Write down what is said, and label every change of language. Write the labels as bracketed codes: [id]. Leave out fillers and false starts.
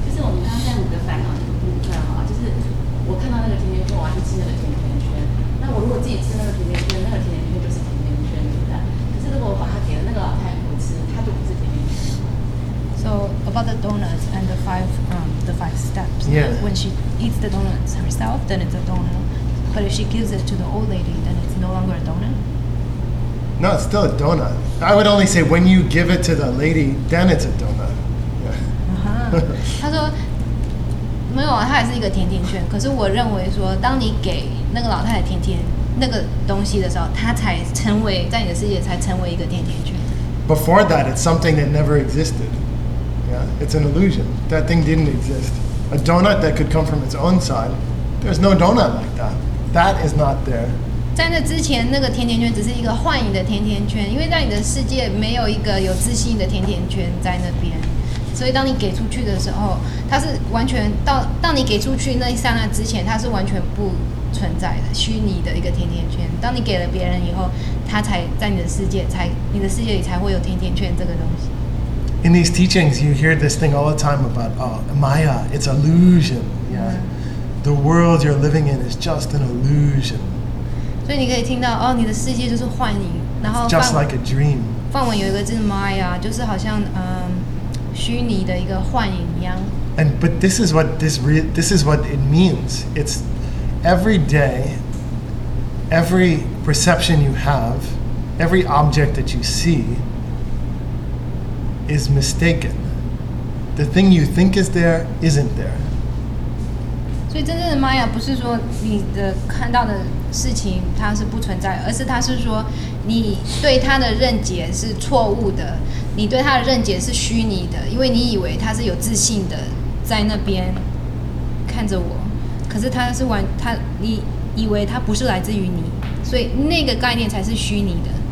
[zh] 就是我们刚刚在我们的烦恼的部分哈，就是我看到那个甜甜圈，我要去吃那个甜甜圈。那我如果自己吃那个甜甜圈，那个甜甜圈就是甜甜圈，对不对？可是如果我把它给了那个老太婆吃，它就不是甜甜圈。 [en] So about the donuts and the five steps. Yeah. When she eats the donuts herself, then it's a donut. But if she gives it to the old lady, then it's no longer a donut. No, it's still a donut. I would only say when you give it to the lady, then it's a donut. Yeah. Uh-huh. [zh] 他说没有啊，它还是一个甜甜圈。可是我认为说，当你给那个老太太甜甜那个东西的时候，它才成为在你的世界才成为一个甜甜圈。 [en] Before that, it's something that never existed. Yeah, it's an illusion. That thing didn't exist. A donut that could come from its own side. There's no donut like that. That is not there. [zh] 在那之前，那个甜甜圈只是一个幻影的甜甜圈，因为在你的世界没有一个有自信的甜甜圈在那边，所以当你给出去的时候，它是完全到你给出去那一刹那之前，它是完全不存在的虚拟的一个甜甜圈。当你给了别人以后，它才在你的世界，才你的世界里才会有甜甜圈这个东西。 [en] In these teachings, you hear this thing all the time about, oh, Maya, it's illusion. Yeah, the world you're living in is just an illusion. [zh] 所以你可以听到哦，你的世界就是幻影。然后 [en] just like a dream。 [zh] 梵文有一个字 Maya， 就是好像虚拟的一个幻影一样。 [en] And but this is what it means. It's every day, every perception you have, every object that you see is mistaken. The thing you think is there isn't there. [zh] 所以真正的 Maya 不是说你的看到的事情它是不存在，而是它是说你对它的认解是错误的，你对它的认解是虚拟的，因为你以为它是有自信的在那边看着我，可是它是完它你以为它不是来自于你，所以那个概念才是虚拟的。